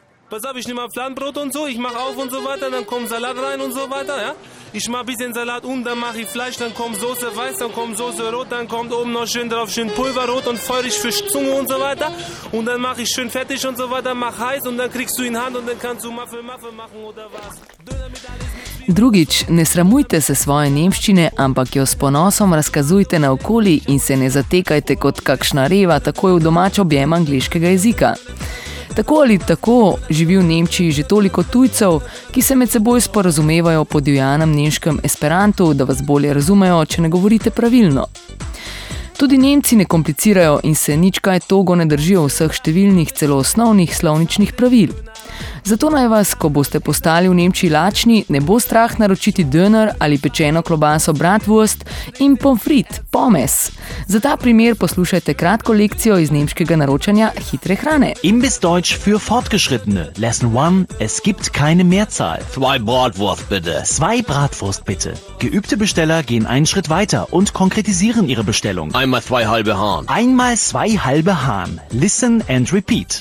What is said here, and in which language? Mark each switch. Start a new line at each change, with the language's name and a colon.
German: Pass auf, ich nehme Pflanzenbrot und so, ich mache auf und so weiter, dann kommt Salat rein und so weiter, ja? Ich mach ein bisschen Salat um, dann mach ich Fleisch, dann kommt Soße weiß, dann kommt Soße rot, dann kommt oben noch schön drauf, schön Pulverrot und feurig für Zunge und so weiter. Und dann mach ich schön fertig und so weiter, mach heiß und dann kriegst du in Hand und dann kannst du Muffel machen oder was.
Slovenian: Drugič, ne sramujte se svoje nemščine, ampak jo s ponosom razkazujte naokoli in se ne zatekajte kot kakšna reva takoj v domač objem angliškega jezika. Tako ali tako živi v Nemčiji že toliko tujcev, ki se med seboj sporazumevajo po divjanem nemškem esperantu, da vas bolje razumejo, če ne govorite pravilno. Tudi Nemci ne komplicirajo in se nič kaj togo ne držijo vseh številnih celo osnovnih slovničnih pravil. Zato naj vas, ko boste postali v Nemčiji lačni, ne bo strah naročiti döner ali pečeno klobaso bratwurst in pomfrit, pomes. Za ta primer poslušajte kratko lekcijo iz nemškega naročanja hitre hrane.
German: Imbiss Deutsch für Fortgeschrittene.
English: Lesson 1.
German: Es gibt keine Mehrzahl. Zwei Bratwurst bitte. Zwei Bratwurst bitte. Geübte Besteller gehen einen Schritt weiter und konkretisieren ihre Bestellung. Einmal zwei halbe Hahn. Einmal zwei halbe Hahn.
English: Listen and repeat.